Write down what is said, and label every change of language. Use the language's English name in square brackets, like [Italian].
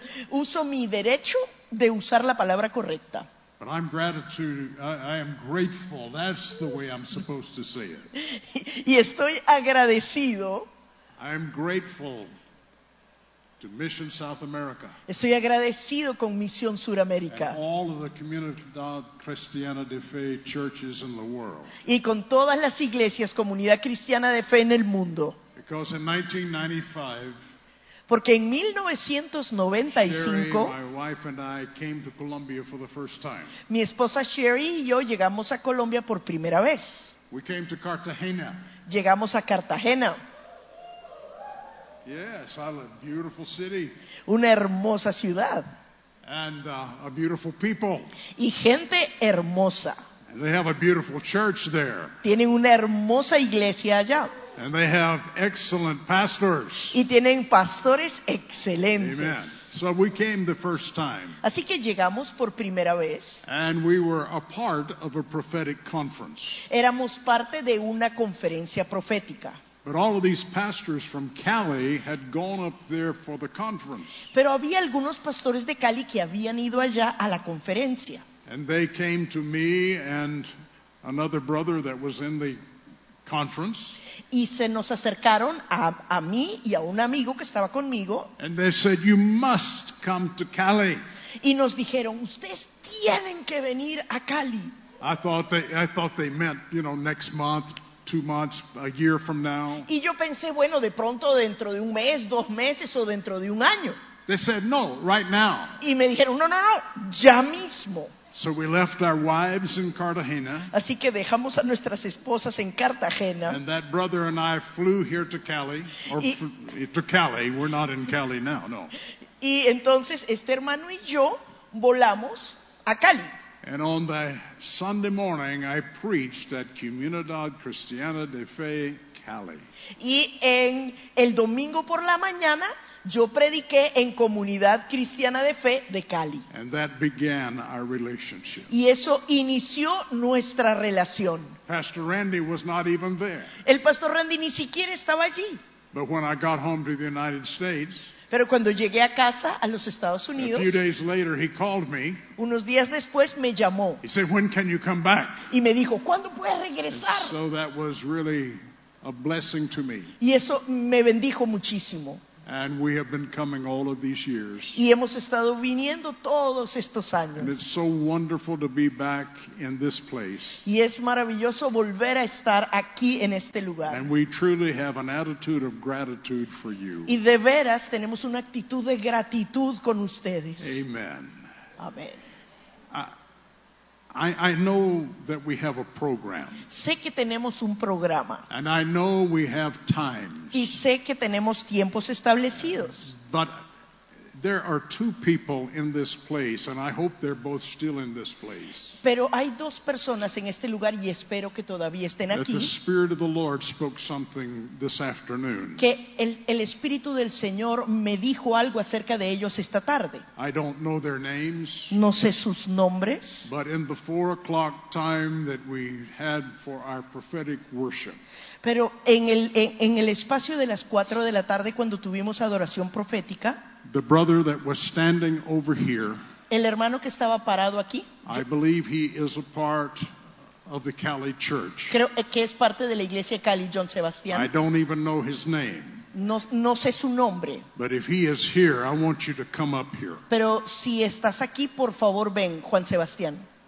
[Spanish] Uso mi derecho de usar la palabra correcta. [English] But I'm gratitude. I am grateful. That's the way I'm supposed to say it. [Spanish] Y estoy agradecido. [English] I am grateful to Mission South America. [Spanish] Estoy agradecido con Misión Suramérica. [English] And all of the Comunidad Cristiana de Fe churches in the world. [Spanish] Y con todas las iglesias Comunidad Cristiana de Fe en el mundo. [English] Because in 1995, [Spanish] porque en 1995, [English] Sherry, my wife and I came to Colombia for the first time. [Spanish] Mi esposa Sherry y yo llegamos a Colombia por primera vez. [English] We came to Cartagena. [Spanish] Llegamos a Cartagena. [English] Yes, a beautiful city. [Spanish] Una hermosa ciudad. [English] And a beautiful people. [Spanish] Y gente hermosa. [English] And they have a beautiful church there. [Spanish] Tienen una hermosa iglesia allá. [English] And they have excellent pastors. [Spanish] Y tienen pastores excelentes. [English] Amen. So we came the first time. [Spanish] Así que llegamos por primera vez. [English] And we were a part of a prophetic conference. [Spanish] Éramos parte de una conferencia profética. [English] But all of these pastors from Cali had gone up there for the conference. [Spanish] Pero había algunos pastores de Cali que habían ido allá a la conferencia. [English] And they came to me and another brother that was in the conference. [Spanish] Y se nos acercaron a mí y a un amigo que estaba conmigo. [English] And they said, "You must come to Cali." [Spanish] Y nos dijeron, "Ustedes tienen que venir a Cali." [English] I thought they meant, you know, next month. 2 months, a year from now. [Spanish] Y yo pensé, bueno, de pronto dentro de un mes, dos meses o dentro de un año. [English] They said, "No, right now." [Spanish] Y me dijeron, no, ya mismo. [English] So we left our wives in Cartagena. [Spanish] Así que dejamos a nuestras esposas en Cartagena. [English] And that brother and I flew here to Cali. To Cali. We're not in Cali now, no. [Spanish] Y entonces este hermano y yo volamos a Cali. [English] And on the Sunday morning, I preached at Comunidad Cristiana de Fe, Cali. [Spanish] Y en el domingo por la mañana, yo prediqué en Comunidad Cristiana de Fe de Cali. [English] And that began our relationship. [Spanish] Y eso inició nuestra relación. [English] Pastor Randy was not even there. [Spanish] El Pastor Randy ni siquiera estaba allí. [English] But when I got home to the United States, [Spanish] pero cuando llegué a casa, a los Estados Unidos, [English] a few days later, he called me. [Spanish] Unos días después me llamó. [English] He said, "When can you come back?" [Spanish] Y me dijo, "¿Cuándo puedes regresar?" [English] So that was really a blessing to me. [Spanish] Y eso me bendijo muchísimo. [English] And we have been coming all of these years. [Spanish] Y hemos estado viniendo todos estos años. [English] And it's so wonderful to be back in this place. [Spanish] Y es maravilloso volver a estar aquí en este lugar. [English] And we truly have an attitude of gratitude for you. [Spanish] Y de veras tenemos una actitud de gratitud con ustedes. [English] Amen. Amen. I know that we have a program. [Spanish] Sé que tenemos un programa. [English] And I know we have times. [Spanish] Y sé que tenemos tiempos establecidos. [English] But There are two people in this place, and I hope they're both still in this place. [Spanish] Pero hay dos personas en este lugar y espero que todavía estén aquí. [English] That the Spirit of the Lord spoke something this afternoon. [Spanish] Que el Espíritu del Señor me dijo algo acerca de ellos esta tarde. [English] I don't know their names. [Spanish] No sé sus nombres. [English] But in the 4 o'clock time that we had for our prophetic worship. [Spanish] Pero en el espacio de las 4 de la tarde cuando tuvimos adoración profética. [English] The brother that was standing over here, [Spanish] el hermano que estaba parado aquí, [English] I believe he is a part of the Cali Church. [Spanish] Creo que es parte de la iglesia Cali, John Sebastián. [English] I don't even know his name. [Spanish] No sé su nombre. [English] But if he is here, I want you to come up here. [Spanish] Pero si estás aquí, por favor ven, Juan Sebastián.